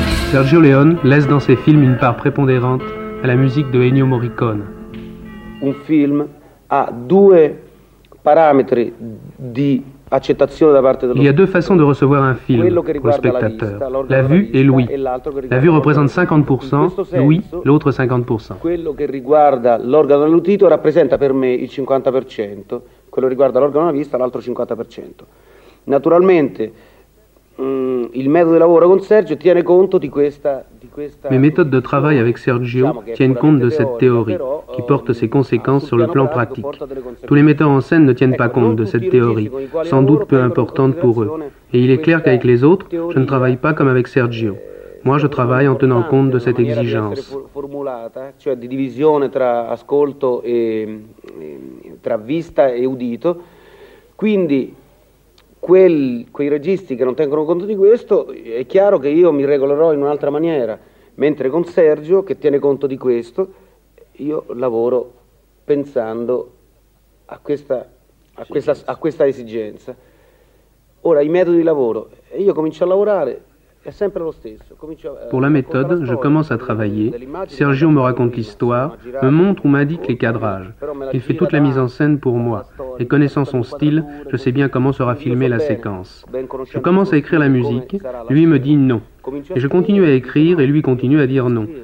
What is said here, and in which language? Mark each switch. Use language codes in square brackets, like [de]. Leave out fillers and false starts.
[fr] Sergio Leone laisse dans ses films une part prépondérante à la musique de Ennio Morricone. Un film a deux [it] parametri di accettazione da parte dello. [fr] Il y a deux façons de recevoir un film pour le spectateur. La vue et l'ouïe. La vue représente 50%, l'ouïe l'autre 50%. [it] Quello che riguarda l'organo dell'udito rappresenta per me il 50%, quello riguarda l'organo della vista l'altro 50%. Naturalmente il metodo di lavoro con Sergio tiene conto di questa. [fr] Mes méthodes de travail avec Sergio tiennent compte de cette théorie, qui porte ses conséquences sur le plan pratique. Tous les metteurs en scène ne tiennent pas compte de cette théorie, sans doute peu importante pour eux. Et il est clair qu'avec les autres, je ne travaille pas comme avec Sergio. Moi, je travaille en tenant compte de cette exigence. [it] Cioè di divisione tra ascolto e tra vista e udito. Quindi quei registi che non tengono conto di questo, è chiaro che io mi regolerò in un'altra maniera, mentre con Sergio, che tiene conto di questo, io lavoro pensando a questa esigenza. Ora, i metodi di lavoro, io comincio a lavorare, è sempre lo stesso. [fr] Pour la méthode, je commence à travailler, Sergio me raconte l'histoire, me montre ou m'indique les cadrages. Il fait toute la mise en scène pour moi. Et connaissant son style, je sais bien comment sera filmée la séquence. Je commence à écrire la musique, lui me dit non. Et je continue à écrire et lui continue à dire non.